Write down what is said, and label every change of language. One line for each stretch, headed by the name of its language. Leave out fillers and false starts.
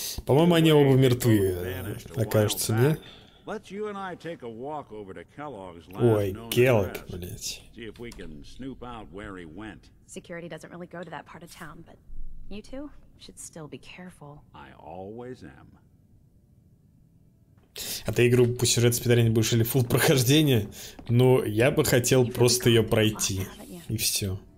Russian: По-моему, они оба мертвы, окажется, не?
English: Let's you and I take a walk over to Kellogg's last known address.
Russian: Ой, Келлог, блять.
English: See if we can snoop out where he went. Security doesn't really go to that part of town, but you two? Should still be careful. I always am.
Russian: А ты игру по сюжету спидрани будешь или фул прохождение? Ну, я бы хотел просто ее пройти. И все.